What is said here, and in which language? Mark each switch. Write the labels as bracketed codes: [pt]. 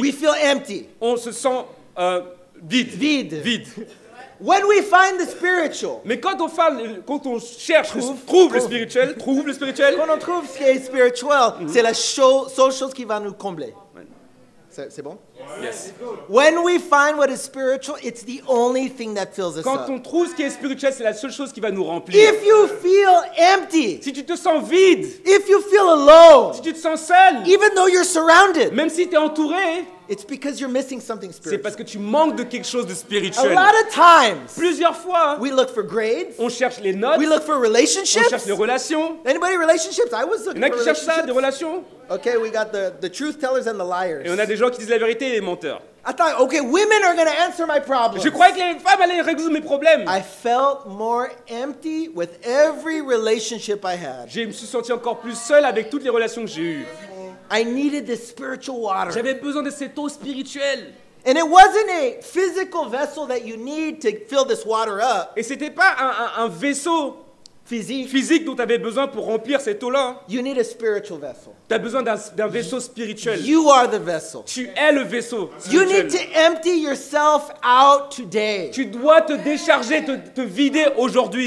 [en] we feel empty. [fr] On se sent vide. Vide. Vide. [en] When we find the spiritual, [fr] mais quand on cherche, trouve le spirituel. Quand on trouve ce qui est spirituel, mm-hmm. c'est la seule chose qui va nous combler. C'est bon? [en] Yes. When we find what is spiritual, it's the only thing that fills us [fr] quand [en] up. [fr] Quand on trouve ce qui est spirituel, c'est la seule chose qui va nous remplir. [en] If you feel empty, [fr] si tu te sens vide. [en] If you feel alone, [fr] si tu te sens seul. [en] Even though you're surrounded, [fr] même si tu es entouré. [en] It's because you're missing something spiritual. [fr] C'est parce que tu manques de quelque chose de spirituel. [en] A lot of times, [fr] plusieurs fois, [en] we look for grades. [fr] On cherche les notes. [en] We look for relationships. [fr] On cherche les relations. [en] Anybody relationships? I was looking for relationships. [fr] Il y en a qui cherchent ça, des relations. [en] Okay, we got the truth tellers and the liars. [fr] Et on a des gens qui disent la vérité et les menteurs. [en] I thought, okay, women are going to answer my problems. [fr] Je croyais que les femmes allaient résoudre mes problèmes. [en] I felt more empty with every relationship I had. [fr] Je me suis senti encore plus seul avec toutes les relations que j'ai eues. [en] I needed the spiritual water. [fr] J'avais besoin de cette eau spirituelle. [en] And it wasn't a physical vessel that you need to fill this water up. [fr] Et c'était pas un vaisseau physique dont tu avais besoin pour remplir cette eau-là. [en] You need a spiritual vessel. [fr] Tu as besoin d'un vaisseau spirituel. [en] You are the vessel. [fr] Tu es le vaisseau. [en] You need to empty yourself out today. [fr] Tu dois te décharger, te vider aujourd'hui.